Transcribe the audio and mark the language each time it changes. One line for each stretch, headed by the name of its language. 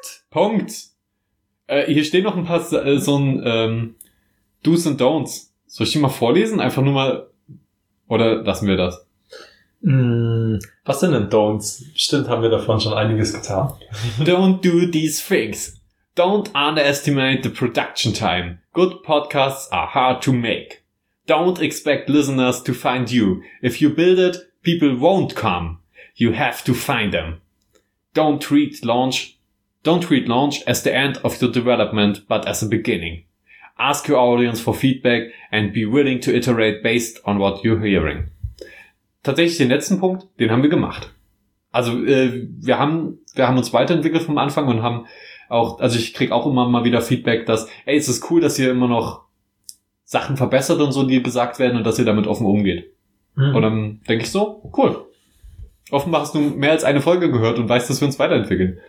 German: Punkt! Hier stehen noch ein paar Do's und Don'ts. Soll ich die mal vorlesen? Einfach nur mal... Oder lassen wir das? Was sind denn Don'ts? Stimmt, haben wir davon schon einiges getan.
English: Don't do these things. Don't underestimate the production time. Good podcasts are hard to make. Don't expect listeners to find you. If you build it, people won't come. You have to find them. Don't treat launch as the end of your development, but as a beginning. Ask your audience for feedback and be willing to iterate based on what you're hearing.
German: Tatsächlich den letzten Punkt, den haben wir gemacht. Also wir haben uns weiterentwickelt vom Anfang und haben auch, also ich kriege auch immer mal wieder Feedback, dass, ey, es ist cool, dass ihr immer noch Sachen verbessert und so, die gesagt werden und dass ihr damit offen umgeht. Mhm. Und dann denke ich so, cool. Offenbar hast du mehr als eine Folge gehört und weißt, dass wir uns weiterentwickeln.